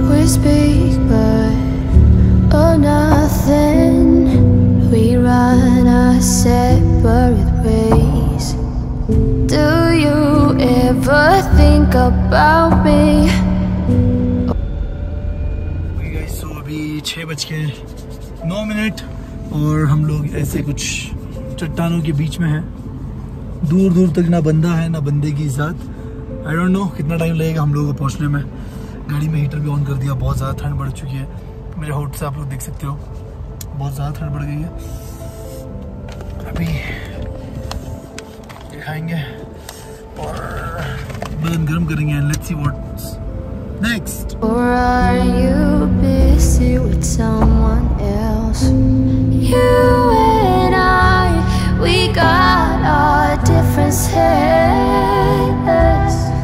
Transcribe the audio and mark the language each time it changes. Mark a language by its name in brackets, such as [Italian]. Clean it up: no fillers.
[English] Speak but oh nothing, we run our separate ways. Do you ever think about me? Okay guys, so [Hindi] अभी 6:09 और हम लोग ऐसे कुछ चट्टानों के बीच में हैं. दूर दूर तक ना बंदा है ना बंदे की जात, [English] I don't know [Hindi] कितना टाइम लगेगा हम लोगों को पहुंचने में. गाड़ी में हीटर भी ऑन कर दिया, बहुत ज़्यादा ठंड बढ़ चुकी है, मेरे होट से आप लोग देख सकते हो बहुत ज़्यादा ठंड बढ़ गई है. अभी दिखाएंगे और बदन गर्म करेंगे. [English] Let's see what's next. Or are you busy with someone else? You and I, we got our differences.